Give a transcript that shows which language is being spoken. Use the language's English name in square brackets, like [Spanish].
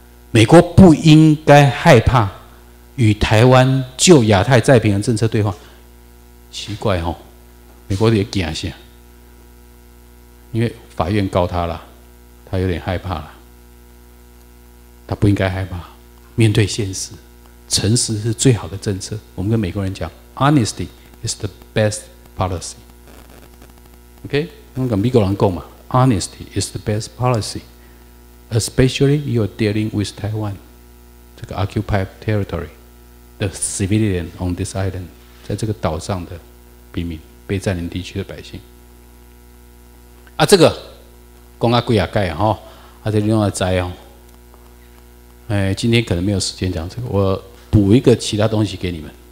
[Chinese] 美国不应该害怕与台湾就亚太再平衡政策对话，奇怪哦，美国也怕啥？因为法院告他了，他有点害怕了，他不应该害怕，面对现实，诚实是最好的政策。我们跟美国人讲 ， [English] honesty is the best policy。 [Chinese] OK， 我们跟美国人讲嘛 ， [English] honesty is the best policy。 Especially you are dealing with Taiwan, the occupied territory, the civilian on this island. [Chinese] 在这个岛上的平民，被占领地区的百姓。啊，这个说了几十次了，啊，这你都知道，今天可能没有时间讲这个，我补一个其他东西给你们。